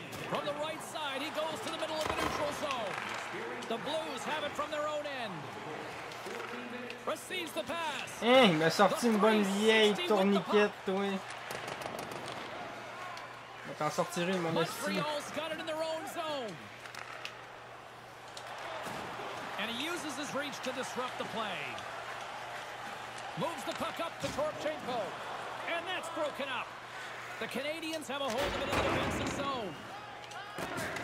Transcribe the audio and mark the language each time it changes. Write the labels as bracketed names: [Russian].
[English] From the right side, he goes to the middle of the neutral zone. The Blues have it from their own end. Receives the pass. [French] Hein, il m'a sorti une bonne vieille tourniquette, toi. On t'en sortir une, mon esti. [English] And he uses his reach to disrupt the play. Moves the puck up to Torpchenko. And that's broken up. The Canadians have a hold of it in the defensive zone.